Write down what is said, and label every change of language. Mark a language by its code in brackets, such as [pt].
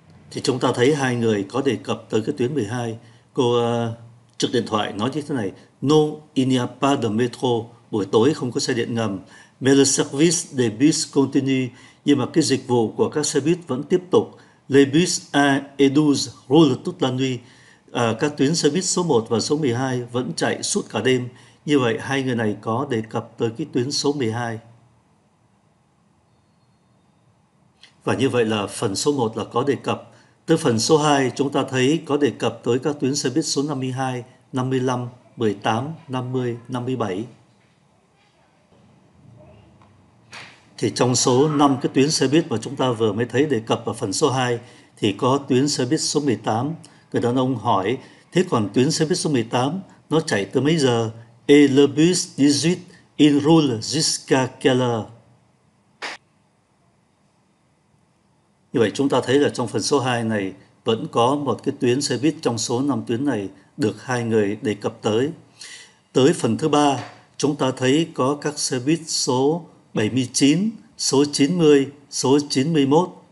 [vi] Thì chúng ta thấy hai người có đề cập tới cái tuyến 12. Cô trực điện thoại nói như thế này, [fr] non, il n'y a pas de métro, [vi] buổi tối không có xe điện ngầm. [fr] Mais le service des bus continue, [vi] nhưng mà cái dịch vụ của các xe buýt vẫn tiếp tục. [fr] Les bus 1 et 12 roulent toute la nuit. [vi] Các tuyến xe buýt số 1 và số 12 vẫn chạy suốt cả đêm. Như vậy, hai người này có đề cập tới cái tuyến số 12. Và như vậy là phần số 1 là có đề cập. Tới phần số 2, chúng ta thấy có đề cập tới các tuyến xe buýt số 52, 55, 18, 50, 57. Thì trong số 5 cái tuyến xe buýt mà chúng ta vừa mới thấy đề cập ở phần số 2, thì có tuyến xe buýt số 18. Người đàn ông hỏi, thế còn tuyến xe buýt số 18, nó chạy từ mấy giờ? [fr] Et le bus 18, il roule jusqu'à quelle heure? [vi] Như vậy chúng ta thấy là trong phần số 2 này vẫn có một cái tuyến xe buýt trong số 5 tuyến này được hai người đề cập tới. Tới phần thứ 3, chúng ta thấy có các xe buýt số 79, số 90, số 91.